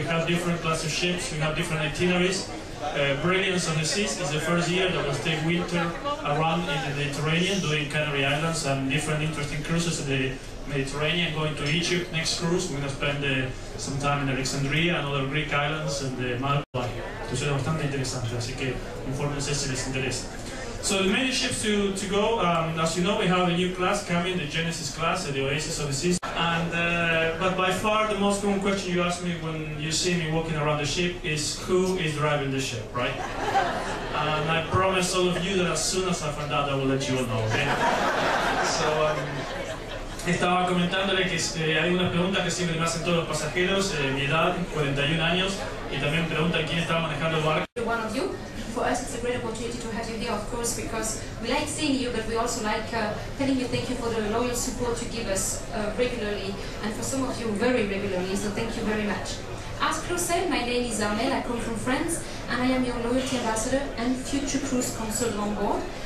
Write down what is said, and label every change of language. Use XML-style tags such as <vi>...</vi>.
<en>We have different class of ships, we have different itineraries. Brilliance of the Seas is the first year that we'll take winter around in the Mediterranean, doing Canary Islands and different interesting cruises in the Mediterranean, going to Egypt next cruise. We're going to spend some time in Alexandria and other Greek islands and the Malta.</en> <es>Entonces es bastante interesante, así que infórmense si les interesa.</es> <en>So the many ships to go, as you know, we have a new class coming, the Genesis class, the Oasis of the Seas. But by far the most common question you ask me when you see me walking around the ship is who is driving the ship, right? And I promise all of you that as soon as I find out, I will let you all know, okay?</en> <es>So, estaba comentándole que hay una pregunta que siempre me hacen todos los pasajeros, mi edad, 41 años, y también preguntan quién estaba manejando el barco.</es> <en>One of you. For us, it's a great opportunity to have you here, of course, because we like seeing you, but we also like telling you thank you for the loyal support you give us regularly, and for some of you, very regularly, so thank you very much. As Chris said, my name is Armel, I come from France, and I am your loyalty ambassador and future cruise consultant on board.</en>